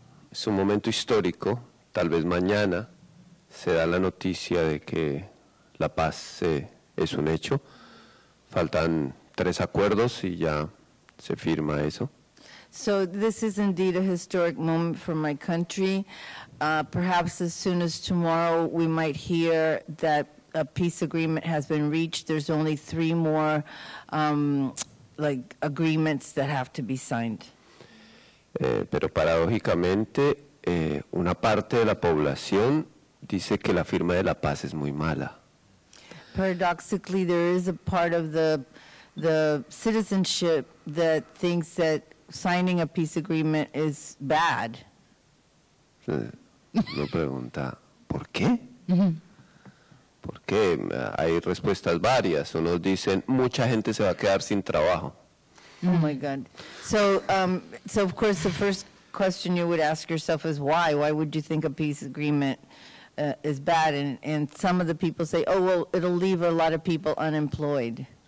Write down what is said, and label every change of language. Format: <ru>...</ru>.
<es>Es un momento histórico, tal vez mañana se da la noticia de que la paz es un hecho. Faltan tres acuerdos y ya se firma eso.</es> <en>So this is indeed a historic moment for my country. Perhaps as soon as tomorrow we might hear that a peace agreement has been reached. There's only three more agreements that have to be signed.</en> <es>Pero paradójicamente, una parte de la población dice que la firma de la paz es muy mala.</es> <en>Paradoxically, there is a part of the citizenship that thinks that signing a peace agreement is bad.</en> <es>Lo pregunta, ¿por qué? ¿Por qué? Hay respuestas varias. Unos dicen, mucha gente se va a quedar sin trabajo.</es> <en>Oh my God. So of course, the first question you would ask yourself is why? Why would you think a peace agreement is bad? And some of the people say, oh, well, it'll leave a lot of people unemployed.</en>